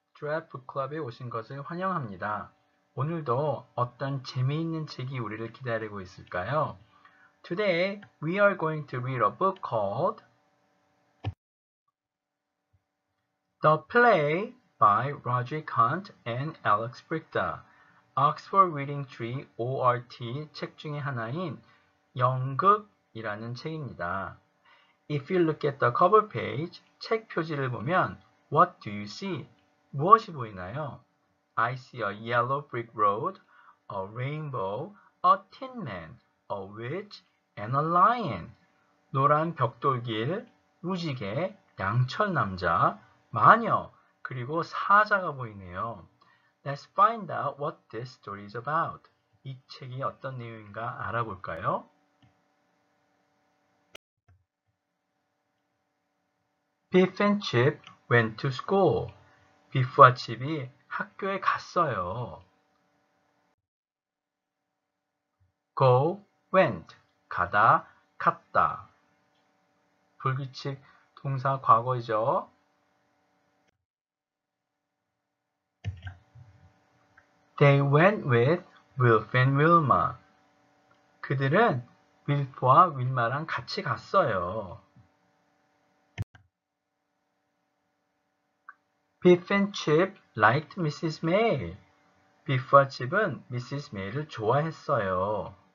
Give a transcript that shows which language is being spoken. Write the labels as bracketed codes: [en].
[ko] Giraffe Club에 오신 것을 환영합니다. 오늘도 어떤 재미있는 책이 우리를 기다리고 있을까요? [en] Today, we are going to read a book called The Play by Roderick Hunt and Alex Bricda. [ko] Oxford Reading Tree, ORT, 책 중에 하나인 연극이라는 책입니다. [en] If you look at the cover page, [ko] 책 표지를 보면 [en] What do you see? [ko] 무엇이 보이나요? [en] I see a yellow brick road, a rainbow, a tin man, a witch, and a lion. [ko] 노란 벽돌길, 무지개, 양철남자, 마녀, 그리고 사자가 보이네요. [en] Let's find out what this story is about. [ko] 이 책이 어떤 내용인가 알아볼까요? [en] Biff and Chip went to school. [ko] 비프와 칩이 학교에 갔어요. Go, went, 가다, 갔다. 불규칙 동사 과거이죠. [en] They went with Wilf and Wilma. [ko] 그들은 윌프와 윌마랑 같이 갔어요. [en] Biff and Chip liked Mrs. May. [ko] 비프와 칩은 [en] Mrs. [ko] May를 좋아했어요.